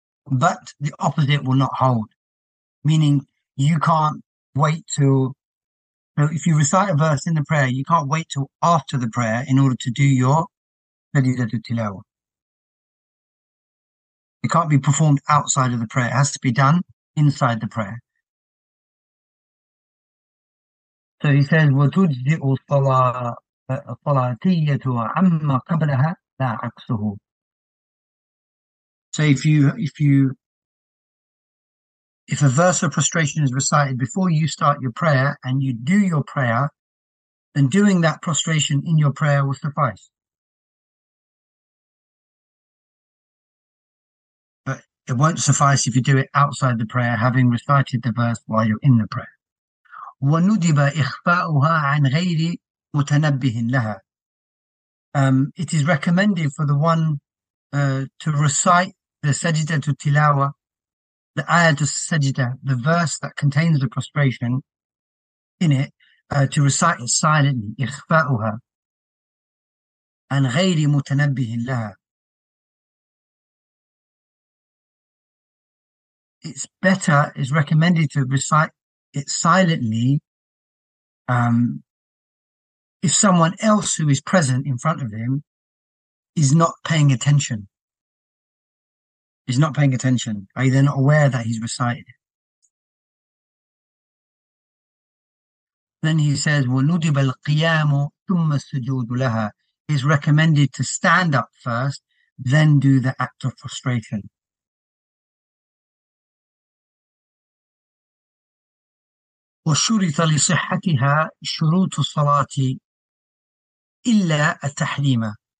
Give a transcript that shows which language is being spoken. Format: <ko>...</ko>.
<en>But the opposite will not hold, meaning you can't wait till. So if you recite a verse in the prayer, you can't wait till after the prayer in order to do your sajdat tilawa. It can't be performed outside of the prayer. It has to be done inside the prayer. So he says,</en> <ar>وَتُجْزِئُ الصَّلَاتِيَّةُ عَمَّ قَبْلَهَا لَا عَكْسُهُ.</ar> <en>So if a verse of prostration is recited before you start your prayer and you do your prayer, then doing that prostration in your prayer will suffice. But it won't suffice if you do it outside the prayer, having recited the verse while you're in the prayer.</en> <ar>وندب إخفاؤها عن غير متنبه لها.</ar> <en>It is recommended for the one to recite the sajda to tilawa, the ayat of sajda, the verse that contains the prostration in it, to recite it silently,</en> <ar>إخفاؤها عن غير متنبه لها.</ar> <en>It's better, it's recommended to recite it silently if someone else who is present in front of him is not paying attention. Is not paying attention. Are they not aware that he's recited? Then he says,</en> <ar>وَنُدِبَ الْقِيَامُ ثُمَّ السُّجُودُ لَهَا.</ar> <en>It's recommended to stand up first, then do the act of prostration.</en> <ar>وَشُرِطَ لِصِحَّتِهَا شُرُوطُ الصَّلَاةِ إِلَّا التَّحْلِيمَ.</ar>